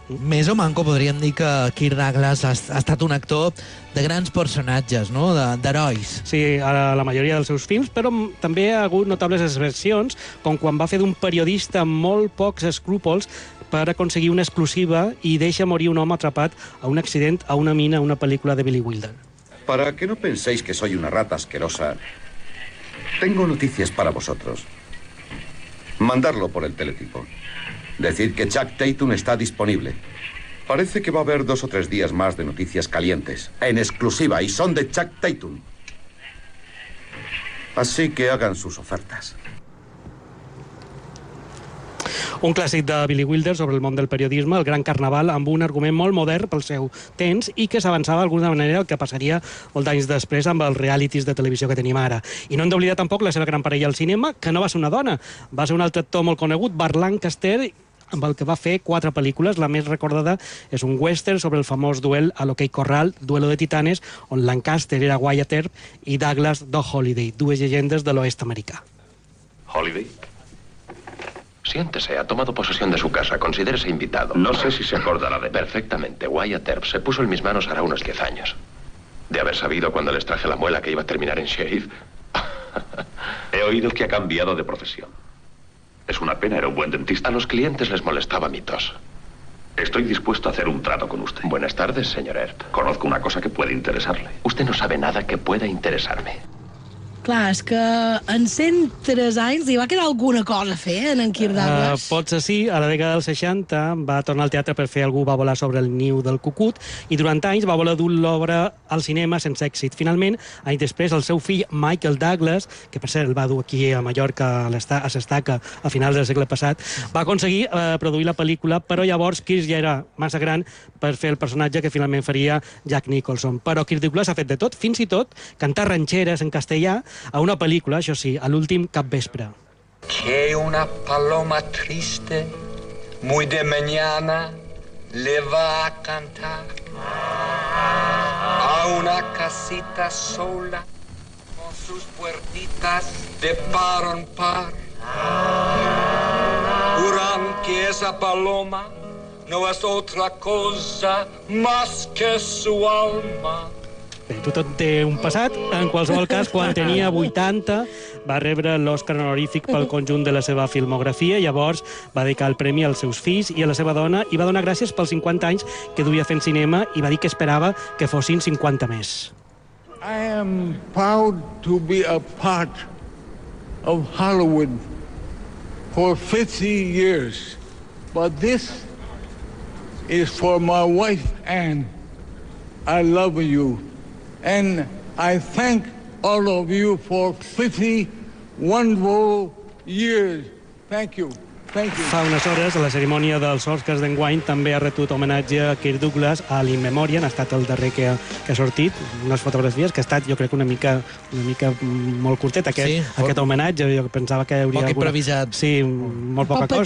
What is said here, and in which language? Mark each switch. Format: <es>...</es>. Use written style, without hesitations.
<ca>Més o manco podríem dir que Kirk Douglas ha estat un actor de grans personatges, no? D'herois. Sí, a la majoria dels seus films, però també ha hagut notables excepcions, com quan va fer d'un periodista amb molt pocs escrúpols per aconseguir una exclusiva i deixa morir un home atrapat a un accident a una mina, a una pel·lícula de Billy Wilder.</ca> <es>Para que no penséis que soy una rata asquerosa, tengo noticias para vosotros. Mandarlo por el teletipo. Decid que Chuck Tatum está disponible. Parece que va a haber dos o tres días más de noticias calientes, en exclusiva, y son de Chuck Tatum. Así que hagan sus ofertas.</es> <ca>Un clàssic de Billy Wilder sobre el món del periodisme, El gran carnaval, amb un argument molt modern pel seu temps i que s'avançava d'alguna manera el que passaria molts anys després amb els realities de televisió que tenim ara. I no hem d'oblidar tampoc la seva gran parella al cinema, que no va ser una dona. Va ser un altre actor molt conegut, Burt Lancaster, amb el que va fer quatre pel·lícules. La més recordada és un western sobre el famós duel a l'Hockey Corral, Duelo de Titanes, on Lancaster era Wyatt Earp i Douglas Doc Holliday, dues llegendes de l'oest americà.</ca> <es>Holliday? Siéntese, ha tomado posesión de su casa, considérese invitado. No sé si se acordará de... Perfectamente, Wyatt Earp se puso en mis manos hará unos 10 años. De haber sabido cuando les traje la muela que iba a terminar en Sheriff. He oído que ha cambiado de profesión. Es una pena, era un buen dentista. A los clientes les molestaba mi tos. Estoy dispuesto a hacer un trato con usted. Buenas tardes, señor Earp. Conozco una cosa que puede interesarle. Usted no sabe nada que pueda interesarme.</es> <ca>Clar, és que en 103 anys hi va quedar alguna cosa a fer, en en Kirk Douglas? Potser sí, a la dècada dels 60 va tornar al teatre per fer Algú va volar sobre el niu del cucut, i durant anys va voler dur l'obra al cinema sense èxit. Finalment, anys després, el seu fill Michael Douglas, que per cert el va dur aquí a Mallorca, a s'estaca a finals del segle passat, va aconseguir produir la pel·lícula, però llavors Kirk ja era massa gran per fer el personatge que finalment faria Jack Nicholson. Però Kirk Douglas ha fet de tot, fins i tot cantar rancheres en castellà a una pel·lícula, això sí, a l'últim capvespre.</ca> <es>Que una paloma triste muy de mañana le va a cantar a una casita sola con sus puertitas de par en par. Juran que esa paloma no es otra cosa más que su alma.</es> <ca>Bé, tothom té un passat. En qualsevol cas, quan tenia 80, va rebre l'Òscar honorífic pel conjunt de la seva filmografia. Llavors va dedicar el premi als seus fills i a la seva dona i va donar gràcies pels 50 anys que duia fent cinema i va dir que esperava que fossin 50 més.</ca> <en>I am proud to be a part of Hollywood for 50 years. But this is for my wife, Anne. I love you. And I thank all of you for 50 wonderful years. Thank you. Thank you.</en> <ca>Fa unes hores, a la cerimònia dels Oscars d'enguany, també ha retut homenatge a Kirk Douglas a l'In Memoriam. Ha estat el darrer que ha sortit, unes fotografies, que ha estat, jo crec, una mica molt curtet, aquest homenatge. Jo pensava que hi hauria... Poc improvisat. Sí, molt poca cosa.</ca>